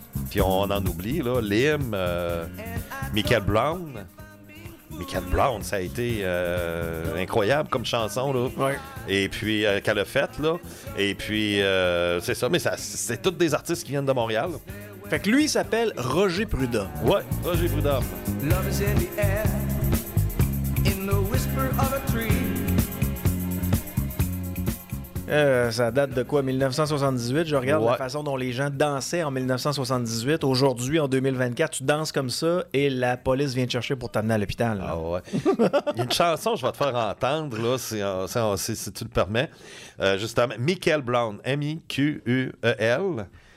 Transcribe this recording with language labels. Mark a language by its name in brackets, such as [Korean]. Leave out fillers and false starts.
[French] Puis on en oublie, là. Lim, Michael Brown. Michael Brown, ça a été incroyable comme chanson, là. Ouais. Et puis, qu'elle a faite, là. Et puis, c'est ça. Mais ça, c'est tous des artistes qui viennent de Montréal. Là. Fait que lui, il s'appelle Roger Prudhomme. Ouais, Roger Prudhomme. [English] Love is in the air, in the whisper of a tree. [French] Ça date de quoi? 1978. Je regarde la façon dont les gens dansaient en 1978. Aujourd'hui, en 2024, tu danses comme ça et la police vient te chercher pour t'amener à l'hôpital. Ah ouais. Il y a une chanson que je vais te faire entendre, là, si tu le permets. Justement, Michael Brown. M-I-Q-U-E-L.